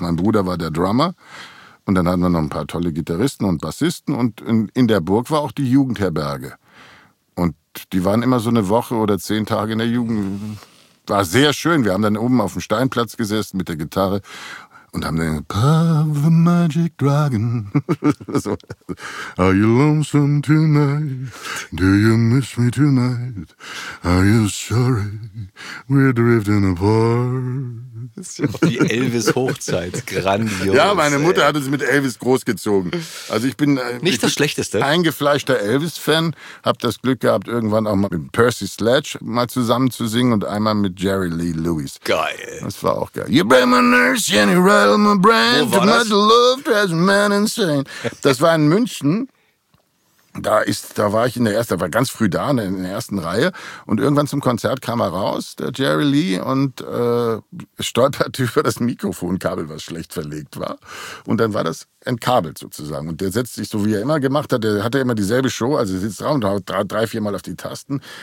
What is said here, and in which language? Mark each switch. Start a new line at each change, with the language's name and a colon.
German: Mein Bruder war der Drummer. Und dann hatten wir noch ein paar tolle Gitarristen und Bassisten. Und in der Burg war auch die Jugendherberge. Und die waren immer so eine Woche oder 10 Tage in der Jugend. War sehr schön. Wir haben dann oben auf dem Steinplatz gesessen mit der Gitarre und haben dann Power the Magic Dragon. So.
English: Are you lonesome tonight? Do you miss me tonight? Are you sorry? We're drifting apart.
German: Das ist ja auch die Elvis-Hochzeit. Grandios. Ja, meine Mutter hat es mit Elvis großgezogen. Also ich bin nicht das Schlechteste. Eingefleischter Elvis-Fan. Hab das Glück gehabt, irgendwann auch mal mit Percy Sledge mal zusammen zu singen und einmal mit Jerry Lee Lewis. Geil. Das war auch geil.
English: You bring my nurse, Jenny, rattle my brain. Too much love, drives a man insane.
German: Das war in München. Da war ich war ganz früh da, in der ersten Reihe. Und irgendwann zum Konzert kam er raus, der Jerry Lee, und stolperte über das Mikrofonkabel, was schlecht verlegt war. Und dann war das entkabelt sozusagen. Und der setzt sich, so wie er immer gemacht hat, der hatte immer dieselbe Show, also er sitzt drauf und haut 3-4 Mal auf die Tasten.